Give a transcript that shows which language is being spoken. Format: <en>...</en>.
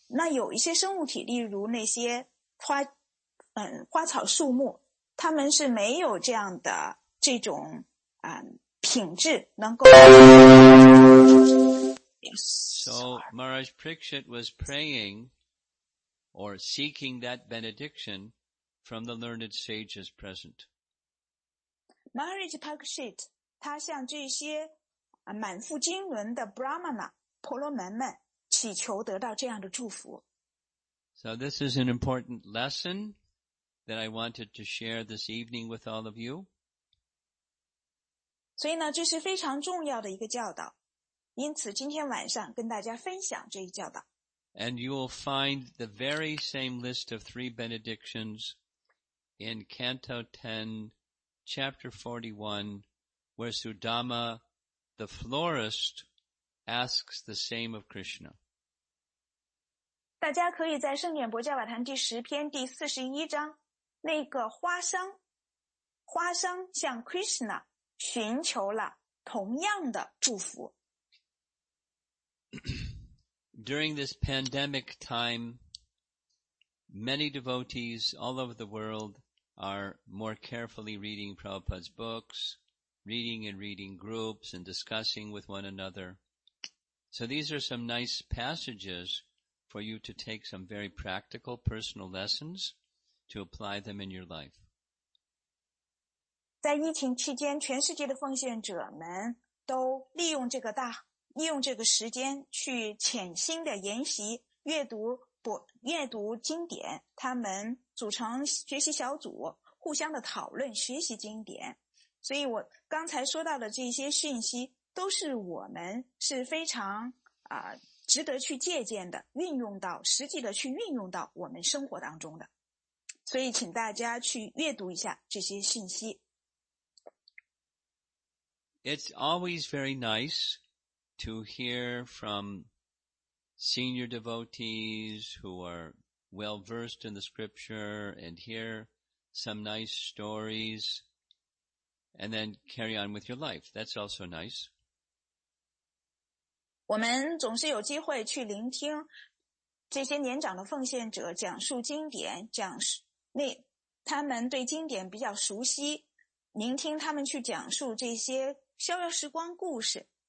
<zh>那有一些生物体，例如那些花，花草树木，他们是没有这样的这种品质能够。</zh> <en>So Maharaj Parikshit was praying or seeking that benediction from the learned sages present.</en> <zh>Maharaj Parikshit, 他向这些满腹经纶的 Brahmana 婆罗门们祈求得到这样的祝福。</zh> <en>So this is an important lesson that I wanted to share this evening with all of you.</en> <zh>所以呢，这是非常重要的一个教导。因此今天晚上跟大家分享这一教导。</zh> <en>And you will find the very same list of three benedictions in Canto 10, Chapter 41, where Sudama, the florist, asks the same of Krishna.</en> <zh>大家可以在圣典博迦瓦坛第十篇第四十一章，那个花商向 Krishna 寻求了同样的祝福。</zh> <en>During this pandemic time, many devotees all over the world are more carefully reading Prabhupada's books, reading and reading groups, and discussing with one another. So these are some nice passages for you to take some very practical personal lessons to apply them in your life.</en> <zh>在疫情期间，全世界的奉献者们都利用这个时间去潜心的研习阅读经典，他们组成学习小组，互相的讨论学习经典。所以我刚才说到的这些讯息都是我们是非常值得去借鉴的，运用到实际的去运用到我们生活当中的。所以请大家去阅读一下这些讯息。</zh> <en>It's always very nice. To hear from senior devotees who are well versed in the scripture and hear some nice stories and then carry on with your life. That's also nice.</en> <zh>我们总是有机会去聆听这些年长的奉献者讲述经典，讲述那他们对经典比较熟悉，聆听他们去讲述这些逍遥时光故事。</zh>